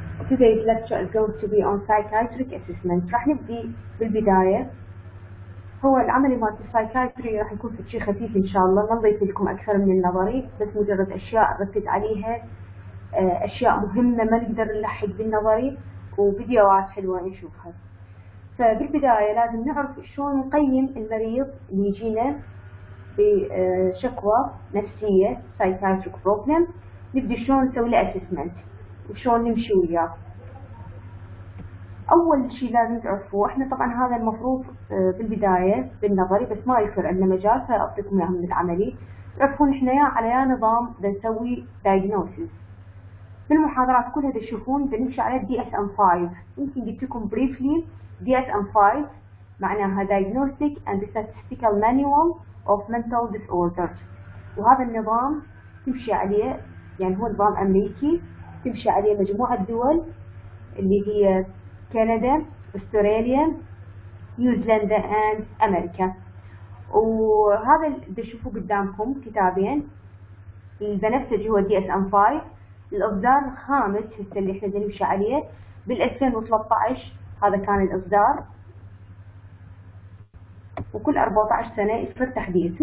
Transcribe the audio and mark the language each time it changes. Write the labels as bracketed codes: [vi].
[en] Today's lecture is going to be on psychiatric assessment. [ar] راح نبدي بالبداية. هو العمل مالت psychiatry راح يكون في شيء خفيف إن شاء الله. ما نضيف لكم أكثر من النظري. بس مجرد أشياء ركز عليها. أشياء مهمة ما نقدر نلحق بالنظري. وفيديوهات حلوة نشوفها. فبالبداية لازم نعرف شلون نقيم المريض اللي يجينا بشكوى نفسية psychiatric problem. نبدأ شلون نسوي له assessment وشلون نمشي وياه. أول شيء لازم تعرفوه، إحنا طبعاً هذا المفروض بالبداية بالنظري بس ما يصير عندنا مجال، فأعطيكم إياه من العملي. تعرفون إحنا يا على يا نظام بنسوي diagnosis. في المحاضرات كلها تشوفون بنمشي على DSM-5. يمكن قلت لكم briefly DSM-5 معناها diagnostic and statistical manual of mental disorders. وهذا النظام تمشي عليه، يعني هو نظام أمريكي تمشي عليه مجموعة دول اللي هي كندا، أستراليا، نيوزيلندا and أمريكا. وهذا اللي تشوفوا قدامكم كتابين، البنفسجي هو DSM-5، الإصدار الخامس هسه اللي احنا بنمشي عليه بال 2013 هذا كان الإصدار، وكل 14 سنة يصير تحديث.